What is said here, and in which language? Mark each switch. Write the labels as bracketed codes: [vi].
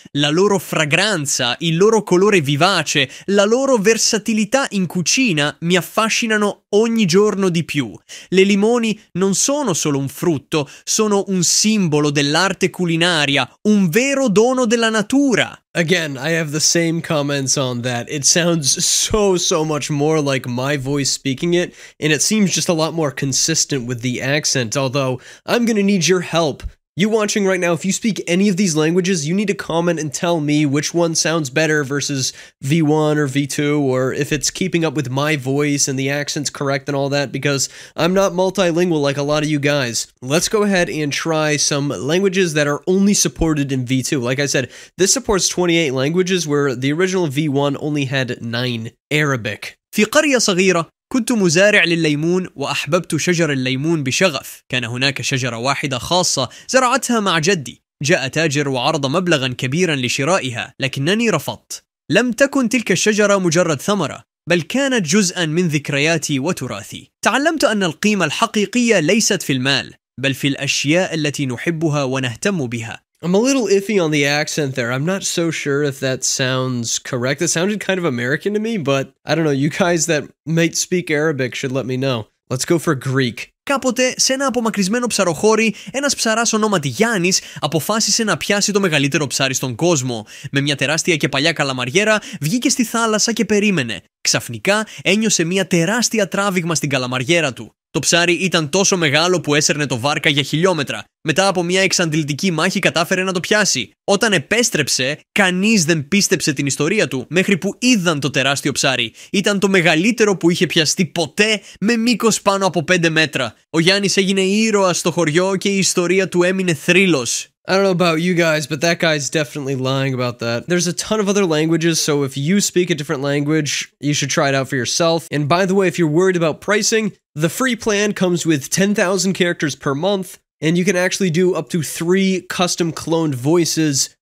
[it] La loro fragranza, il loro colore vivace, la loro versatilità in cucina mi affascinano ogni giorno di più. Le limoni non sono solo un frutto, sono un simbolo dell'arte culinaria, un vero dono della natura. [en] Again, I have the same comments on that. It sounds so, so much more like my voice speaking it, and it seems just a lot more consistent with the accent, although I'm gonna need your help. You watching right now, if you speak any of these languages, you need to comment and tell me which one sounds better versus V1 or V2, or if it's keeping up with my voice and the accent's correct and all that, because I'm not multilingual like a lot of you guys. Let's go ahead and try some languages that are only supported in V2. Like I said, this supports 28 languages, where the original V1 only had 9. Arabic. [ar] في قرية صغيرة كنت مزارع للليمون وأحببت شجر الليمون بشغف. كان هناك شجرة واحدة خاصة زرعتها مع جدي. جاء تاجر وعرض مبلغا كبيرا لشرائها، لكنني رفضت. لم تكن تلك الشجرة مجرد ثمرة، بل كانت جزءا من ذكرياتي وتراثي. تعلمت أن القيمة الحقيقية ليست في المال، بل في الأشياء التي نحبها ونهتم بها. [en] I'm a little iffy on the accent there. I'm not so sure if that sounds correct. It sounded kind of American to me, but I don't know. You guys that might speak Arabic should let me know. Let's go for Greek. [el] Κάποτε, σε ένα απομακρυσμένο ψαροχώρι, ένας ψαράς ονόματι Γιάννης αποφάσισε να πιάσει το μεγαλύτερο ψάρι στον κόσμο. Με μια τεράστια και παλιά καλαμαριέρα, βγήκε στη θάλασσα και περίμενε. Ξαφνικά, ένιωσε μια τεράστια τράβηγμα στην καλαμαριέρα του. Το ψάρι ήταν τόσο μεγάλο που έσερνε το βάρκα για χιλιόμετρα. Μετά από μια εξαντλητική μάχη κατάφερε να το πιάσει. Όταν επέστρεψε, κανείς δεν πίστεψε την ιστορία του, μέχρι που είδαν το τεράστιο ψάρι. Ήταν το μεγαλύτερο που είχε πιαστεί ποτέ, με μήκος πάνω από 5 μέτρα. Ο Γιάννης έγινε ήρωας στο χωριό και η ιστορία του έμεινε θρύλος. [en] I don't know about you guys, but that guy's definitely lying about that. There's a ton of other languages, so if you speak a different language, you should try it out for yourself. And by the way, if you're worried about pricing, the free plan comes with 10,000 characters per month, and you can actually do up to 3 custom cloned voices.